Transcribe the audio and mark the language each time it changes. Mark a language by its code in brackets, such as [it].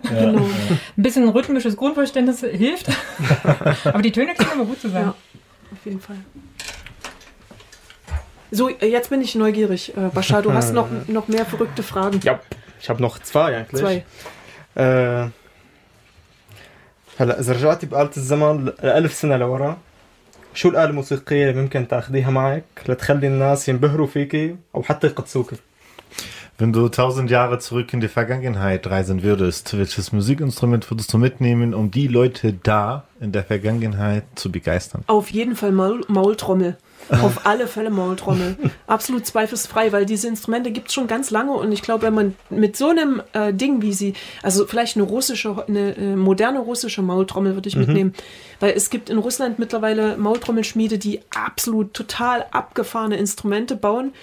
[de] Ja. Genau. Ein bisschen rhythmisches Grundverständnis hilft. Aber die Töne klingen immer gut zusammen. Ja, auf jeden Fall. So, jetzt bin ich neugierig. Bascha, du hast noch mehr verrückte Fragen. Ja, ich habe noch zwei eigentlich. Zwei. [ar] هلا إذا رجعتي بآلة الزمن لألف سنة لورا شو الآلة الموسيقية اللي ممكن تاخديها معك لتخلي الناس ينبهروا فيكي أو حتى يقدسوكي؟ [de] Wenn du 1000 Jahre zurück in die Vergangenheit reisen würdest, welches Musikinstrument würdest du mitnehmen, um die Leute da in der Vergangenheit zu begeistern? Auf jeden Fall Maultrommel. Auf alle Fälle Maultrommel. Absolut zweifelsfrei, weil diese Instrumente gibt es schon ganz lange und ich glaube, wenn man mit so einem Ding wie sie, also vielleicht eine moderne russische Maultrommel würde ich mitnehmen, weil es gibt in Russland mittlerweile Maultrommelschmiede, die absolut total abgefahrene Instrumente bauen.